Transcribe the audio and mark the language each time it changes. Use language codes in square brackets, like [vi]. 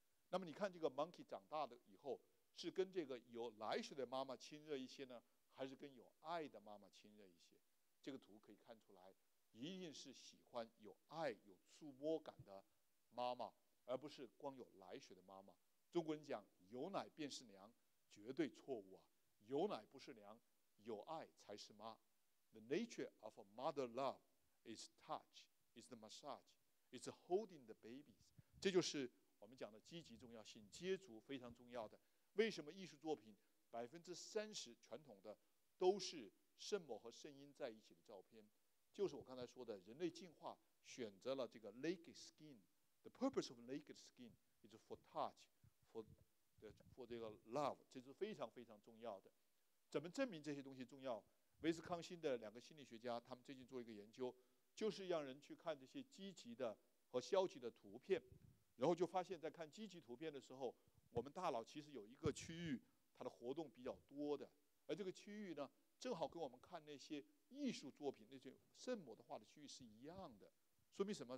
[zh] 那么你看这个 monkey 长大的以后，是跟这个有奶水的妈妈亲热一些呢，还是跟有爱的妈妈亲热一些？这个图可以看出来，一定是喜欢有爱、有触摸感的妈妈，而不是光有奶水的妈妈。中国人讲有奶便是娘，绝对错误啊！有奶不是娘，有爱才是妈。 [en] The nature of a mother love is touch, is the massage, is holding the babies。 [zh] 这就是我们讲的积极重要性，接触非常重要的。为什么艺术作品 30% 传统的都是圣母和圣婴在一起的照片？就是我刚才说的，人类进化选择了这个 naked skin。 [en] The purpose of naked skin is for touch, for 这个 love， [zh] 这是非常非常重要的。怎么证明这些东西重要？威斯康星的两个心理学家他们最近做一个研究，就是让人去看这些积极的和消极的图片，然后就发现在看积极图片的时候，我们大脑其实有一个区域它的活动比较多的，而这个区域呢正好跟我们看那些艺术作品那些圣母的画的区域是一样的。说明什么？